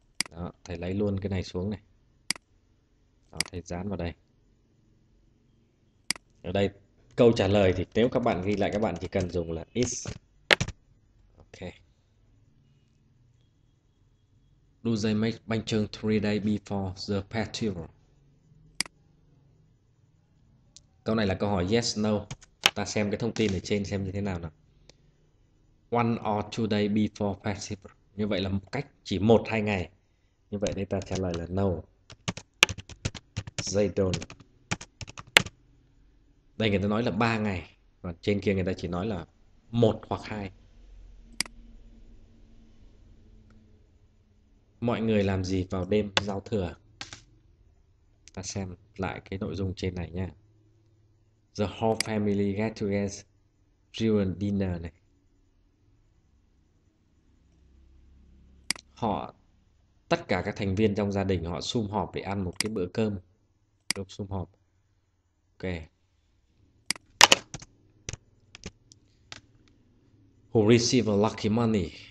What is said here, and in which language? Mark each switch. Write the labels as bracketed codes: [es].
[vi] Đó, thầy lấy luôn cái này xuống này. Đó, thầy dán vào đây. Ở đây, câu trả lời thì nếu các bạn ghi lại các bạn chỉ cần dùng là is. Ok. [en] Do they make bánh chưng 3 days before the festival? [vi] Câu này là câu hỏi yes, no. Ta xem cái thông tin ở trên xem như thế nào nào. [en] One or two days before festival. [vi] Như vậy là cách chỉ một hai ngày. Như vậy đây ta trả lời là no. [en] They don't. [vi] Đây người ta nói là 3 ngày. Còn trên kia người ta chỉ nói là một hoặc hai. Mọi người làm gì vào đêm giao thừa? Ta xem lại cái nội dung trên này nha. [en] The whole family get together, ruin dinner này. [vi] Họ, tất cả các thành viên trong gia đình họ sum họp để ăn một cái bữa cơm. Lúc sum họp. Ok. [en] Receive a lucky money.